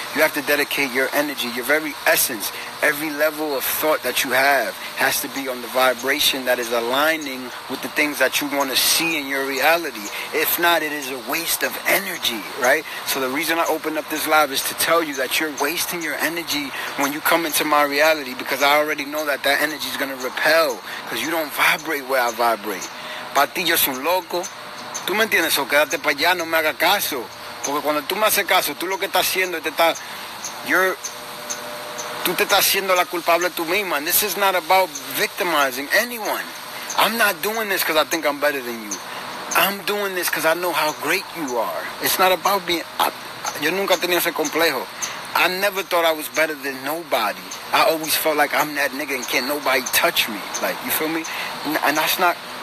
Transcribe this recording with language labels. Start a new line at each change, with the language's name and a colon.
English: You have to dedicate your energy, your very essence. Every level of thought that you have has to be on the vibration that is aligning with the things that you want to see in your reality. If not, it is a waste of energy, right? So the reason I opened up this live is to tell you that you're wasting your energy when you come into my reality, because I already know that that energy is going to repel, because you don't vibrate where I vibrate.
Spanish: Patillo es un loco. Tú me entiendes, o quédate para allá, no me hagas caso. Porque cuando tú me haces caso, tú lo que estás haciendo es tú te estás haciendo la culpable tú misma.
English: And this is not about victimizing anyone. I'm not doing this because I think I'm better than you. I'm doing this because I know how great you are. It's not about being...
Spanish: Yo nunca tenía ese complejo.
English: I never thought I was better than nobody. I always felt like I'm that nigga and can't nobody touch me. Like, you feel me? And that's not...